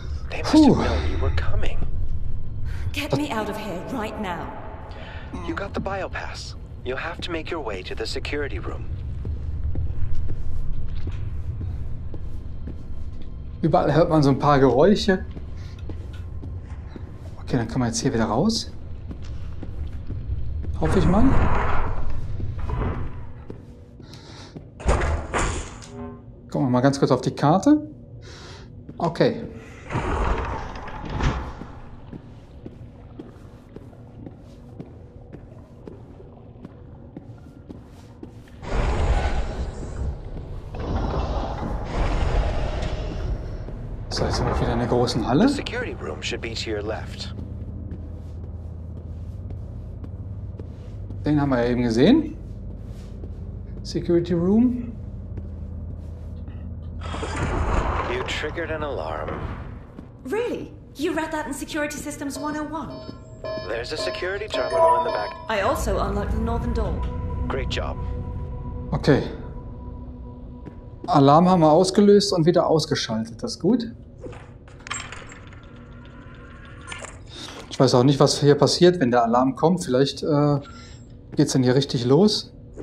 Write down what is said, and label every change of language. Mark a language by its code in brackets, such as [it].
[en] They must have known you were coming. Get me out of here right now. You got the biopass. You'll have to make your way to the security room. [de] Überall hört man so ein paar Geräusche. Okay, dann können wir jetzt hier wieder raus. Hoffe ich mal. Gucken wir mal ganz kurz auf die Karte. Okay. Das heißt, wir sind wieder in der großen Halle. [en] The security room should be to your left. [de] Den haben wir ja eben gesehen. [en] Security room. You triggered an alarm. Really? You read that in Security Systems 101? There's a security terminal in the back. I also unlocked the northern door. Great job. Okay. [de] Alarm haben wir ausgelöst und wieder ausgeschaltet. Das ist gut. Ich weiß auch nicht, was hier passiert, wenn der Alarm kommt. Vielleicht geht es denn hier richtig los.